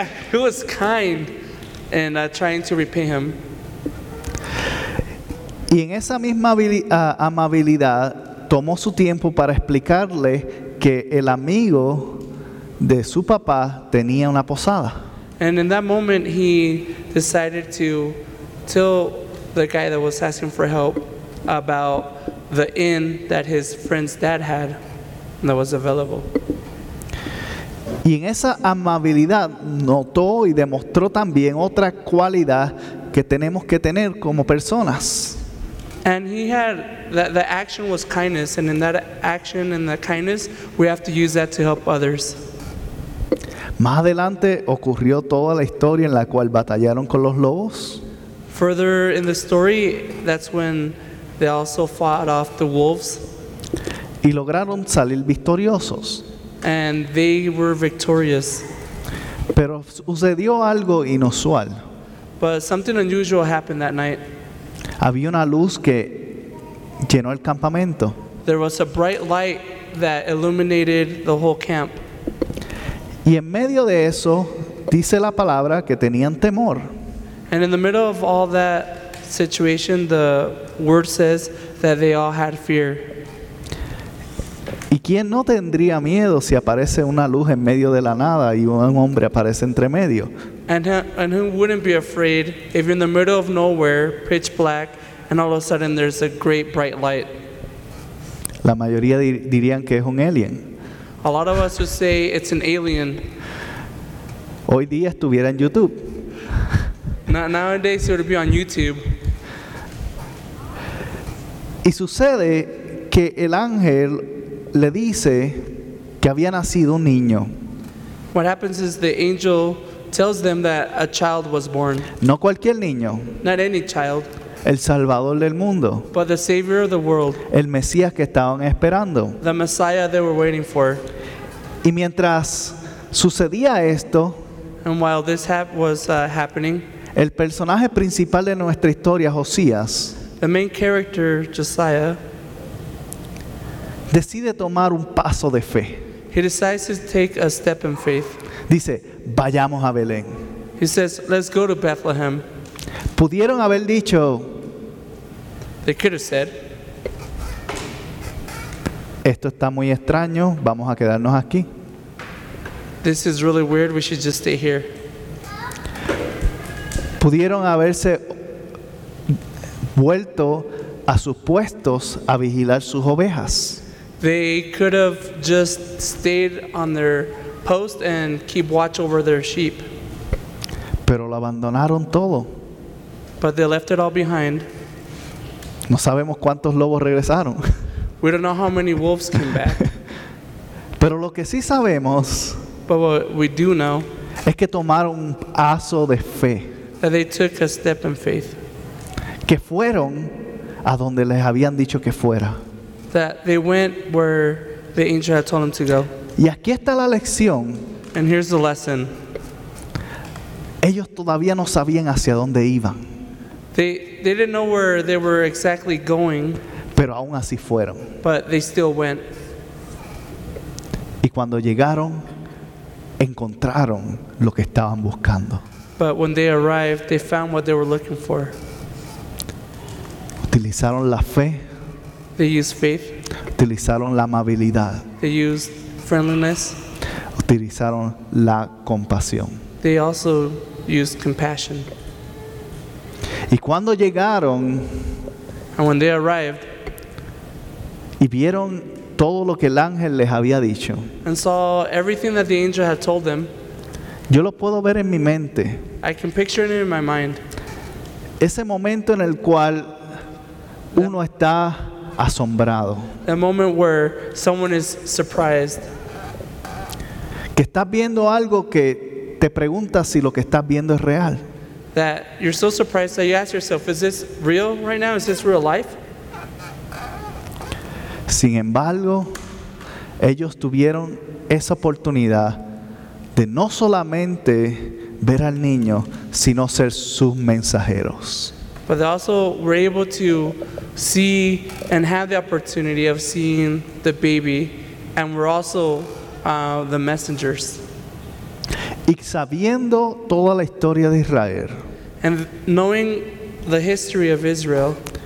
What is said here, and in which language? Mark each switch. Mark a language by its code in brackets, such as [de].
[en] He was kind and trying to repay him. [es] Y en esa misma amabilidad tomó su tiempo para explicarle que el amigo de su papá tenía una posada. [en] And in that moment he decided to tell the guy that was asking for help about the inn that his friend's dad had that was available. [es] Y en esa amabilidad notó y demostró también otra cualidad que tenemos que tener como personas. [en] And he had, the action was kindness, and in that action and the kindness, we have to use that to help others. [es] Más adelante ocurrió toda la historia en la cual batallaron con los lobos. [en] Further in the story, that's when they also fought off the wolves. [es] Y lograron salir victoriosos. [en] And they were victorious. [es] Pero sucedió algo inusual. [en] But something unusual happened that night. [es] Había una luz que llenó el campamento. [en] There was a bright light that illuminated the whole camp. [es] Y en medio de eso, dice la palabra que tenían temor. [en] And in the middle of all that situation, the word says that they all had fear. [es] ¿Y quién no tendría miedo si aparece una luz en medio de la nada y un hombre aparece entre medio? [en] And who wouldn't be afraid if you're in the middle of nowhere, pitch black, and all of a sudden there's a great bright light? [es] La mayoría dirían que es un alien. [en] A lot of us would say it's an alien. [es] Hoy día estuviera en YouTube. [en] Nowadays it would be on YouTube. [es] Y sucede que el ángel le dice que había nacido un niño. [en] What happens is the angel tells them that a child was born. [es] No cualquier niño. [en] Not any child. [es] El Salvador del mundo. [en] But the Savior of the world. [es] El Mesías que estaban esperando. [en] The Messiah they were waiting for. [es] Y mientras sucedía esto, [en] and while this was happening, [es] el personaje principal de nuestra historia, Josías, [en] the main character, Josiah, [es] decide tomar un paso de fe. [en] He decides to take a step in faith. [es] Dice, vayamos a Belén. [en] He says, let's go to Bethlehem. [es] Pudieron haber dicho, [en] they could have said, [es] esto está muy extraño, vamos a quedarnos aquí. [en] This is really weird, we should just stay here. [es] pudieron haberse vuelto a sus puestos a vigilar sus ovejas. [en] They could have just stayed on their post and keep watch over their sheep. [es] Pero lo abandonaron todo. [en] But they left it all behind. [es] No sabemos cuántos lobos regresaron. [en] We don't know how many wolves came back. [es] Pero lo que sí sabemos, [en] but what we do know, [es] es que tomaron un paso de fe. [en] That they took a step in faith. [es] Que fueron a donde les habían dicho que fuera. [en] That they went where the angel had told them to go. [es] Y aquí está la lección. [en] And here's the lesson. [es] Ellos todavía no sabían hacia dónde iban. [en] They didn't know where they were exactly going. [es] Pero aún así fueron. [en] But they still went. [es] Y cuando llegaron, encontraron lo que estaban buscando. [en] But when they arrived, they found what they were looking for. [es] Utilizaron la fe. [en] They used faith. [es] Utilizaron la amabilidad. [en] They used friendliness. [es] Utilizaron la compasión. [en] They also used compassion. [es] Y cuando llegaron, [en] and when they arrived, [es] y vieron todo lo que el ángel les había dicho, [en] and saw everything that the angel had told them, [es] yo lo puedo ver en mi mente. [en] I can picture it in my mind. [es] Ese momento en el cual uno está asombrado. [en] The moment where someone is surprised. [es] Que estás viendo algo que te preguntas si lo que estás viendo es real. [en] That you're so surprised that you ask yourself, is this real right now? Is this real life? [es] Sin embargo, ellos tuvieron esa oportunidad de no solamente ver al niño, sino ser sus mensajeros. [en] But they also were able to see and have the opportunity of seeing the baby, and were also the messengers. [es] Y sabiendo toda la historia de Israel, [en] and knowing the history of Israel,